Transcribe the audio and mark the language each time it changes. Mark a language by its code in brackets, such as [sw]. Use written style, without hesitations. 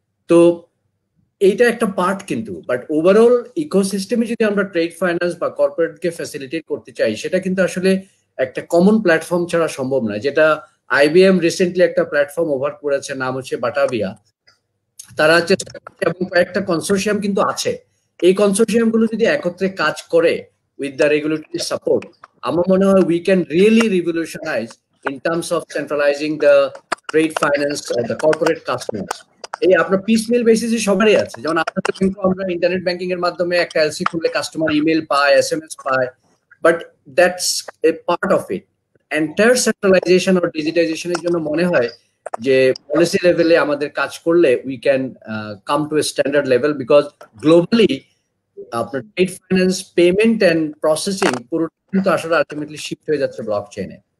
[bn] তো এইটা একটা পার্ট কিন্তু, বাট ওভারঅল ইকোসিস্টেমে যদি আমরা ট্রেড ফাইন্যান্স বা কর্পোরেটকে ফ্যাসিলিটেট করতে চাই, সেটা কিন্তু আসলে একটা কমন প্ল্যাটফর্ম ছাড়া সম্ভব না। যেটা IBM রিসেন্টলি একটা প্ল্যাটফর্ম ওভার করেছে, নাম হচ্ছে বাটাভিয়া, তারা চেষ্টা করছে, এবং কয়েকটা কনসোর্সিয়াম কিন্তু আছে, এই কনসোর্সিয়াম গুলো যদি একত্রে কাজ করে [en] with the regulatory support, [bn] amar mone hoy [en] we can really revolutionize in terms of centralizing the trade finance or the corporate customers. [bn] এই আপনার পিসমিল বেসিসে সবারই আছে, যেমন আপনাদের কিন্তু আমরা ইন্টারনেট ব্যাংকিং এর মাধ্যমে একটা এলসি খুললে কাস্টমার ইমেল পায়, এসএমএস পায়, [en] But that's a part of it. [bn] Entire centralisation or ডিজিটাইজেশনের জন্য মনে হয় যে পলিসি লেভেলে আমাদের কাজ করলে [en] we can come to a standard level, [bn] because globally আপনার trade finance payment and processing পুরোটা কিন্তু আসলে আলটিমেটলি শিফট হয়ে যাচ্ছে ব্লক চেইনে।